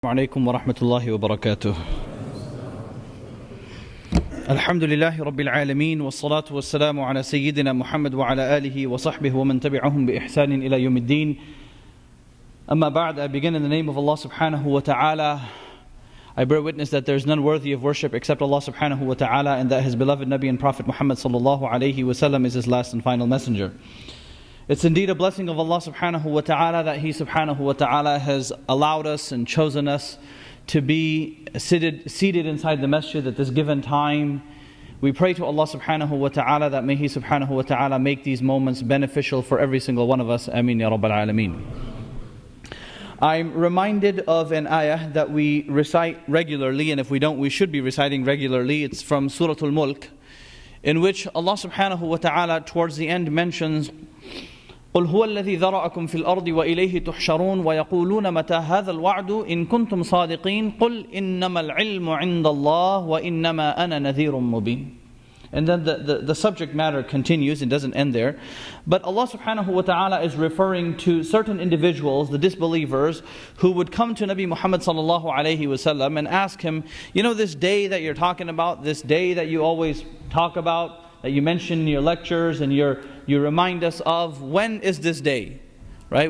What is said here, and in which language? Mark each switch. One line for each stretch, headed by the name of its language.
Arabic: عليكم ورحمة الله وبركاته. الحمد لله رب العالمين والصلاة والسلام على سيدنا محمد وعلى آله وصحبه ومن تبعهم بإحسان إلى يوم الدين. أما بعد,
English: I begin in the name of Allah subhanahu wa ta'ala. I bear witness that there is none worthy of worship except Allah subhanahu wa ta'ala, and that his beloved Nabi and Prophet Muhammad sallallahu alayhi wa sallam is his last and final messenger. It's indeed a blessing of Allah subhanahu wa ta'ala that He subhanahu wa ta'ala has allowed us and chosen us to be seated inside the masjid at this given time. We pray to Allah subhanahu wa ta'ala that may He subhanahu wa ta'ala make these moments beneficial for every single one of us. Ameen ya Rabbal Alameen. I'm reminded of an ayah that we recite regularly, and if we don't, we should be reciting regularly. It's from Surah Al-Mulk, in which Allah subhanahu wa ta'ala towards the end mentions,
Arabic: قُلْ هُوَ الَّذِي ذَرَأَكُمْ فِي الْأَرْضِ وَإِلَيْهِ تُحْشَرُونَ وَيَقُولُونَ مَتَى هَذَا الْوَعْدُ إِن كُنْتُمْ صَادِقِينَ قُلْ إِنَّمَا الْعِلْمُ عِنْدَ اللَّهِ وَإِنَّمَا أَنَا نَذِيرٌ مُبِينٌ.
English: And then the subject matter continues, it doesn't end there. But Allah subhanahu wa ta'ala is referring to certain individuals, the disbelievers, who would come to Nabi Muhammad sallallahu alayhi wa sallam and ask him, you know, this day that you're talking about, this day that you always talk about, that you mention in your lectures and you remind us of, when is this day? Right?